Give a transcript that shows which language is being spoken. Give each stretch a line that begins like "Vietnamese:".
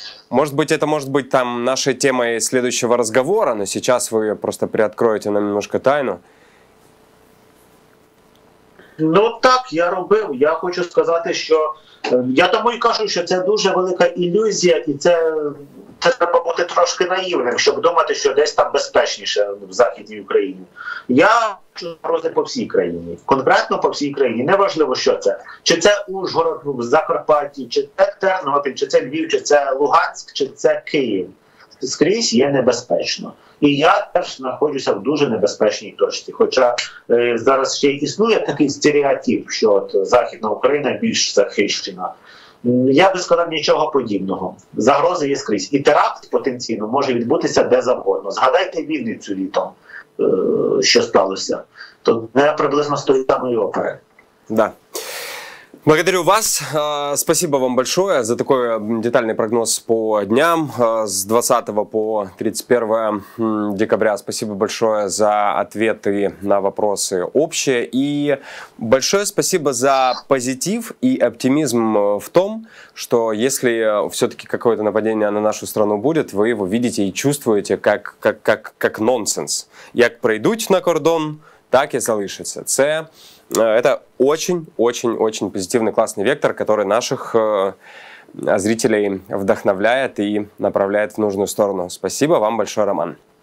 Russian: Может быть, там нашей темой следующего разговора, но сейчас вы просто приоткроете нам немножко тайну.
Ukrainian: Ну так, я робив. Я хочу сказати, що я тому і кажу, що це дуже велика ілюзія, і це треба бути трошки наївним, щоб думати, що десь там безпечніше в Західній Україні. Я хочу розповісти по всій країні. Конкретно по всій країні. Неважливо, що це. Чи це Ужгород в Закарпатті, чи це Тернопіль, чи це Львів, чи це Луганськ, чи це Київ. Скрізь є небезпечно. І я теж знаходжуся в дуже небезпечній точці. Хоча зараз ще існує такий стереотип, що от Західна Україна більш захищена. Я би сказав нічого подібного. Загрози є скрізь. І теракт потенційно може відбутися де завгодно. Згадайте Вінницю літом, що сталося. То не приблизно стоїть там і опери.
Russian: Да. Благодарю вас. Спасибо вам большое за такой детальный прогноз по дням с 20 по 31 декабря. Спасибо большое за ответы на вопросы общие. И большое спасибо за позитив и оптимизм в том, что если все-таки какое-то нападение на нашу страну будет, вы его видите и чувствуете как нонсенс.
Ukrainian: Як пройдуть на кордон, так и залишиться.
Russian: Это очень позитивный, классный вектор, который наших зрителей вдохновляет и направляет в нужную сторону. Спасибо вам большое, Роман.